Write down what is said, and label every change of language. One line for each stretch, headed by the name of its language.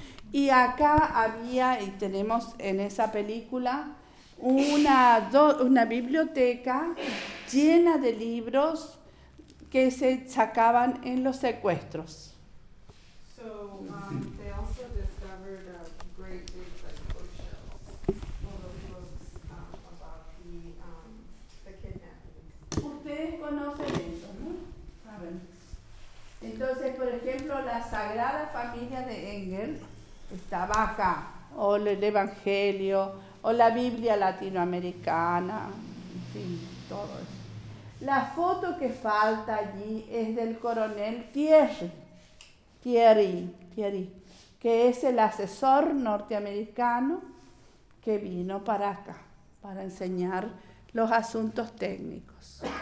Spanish: Y acá había, y tenemos en esa película, una biblioteca llena de libros que se sacaban en los secuestros.
English: So, they also discovered a great big bookshelf full of books about the kidnapping.
Spanish: Ustedes conocen eso, ¿no? Saben. Entonces, por ejemplo, la Sagrada Familia de Engels estaba acá, o el Evangelio, o la Biblia Latinoamericana, en fin, todo eso. La foto que falta allí es del coronel Thierry, que es el asesor norteamericano que vino para acá para enseñar los asuntos técnicos.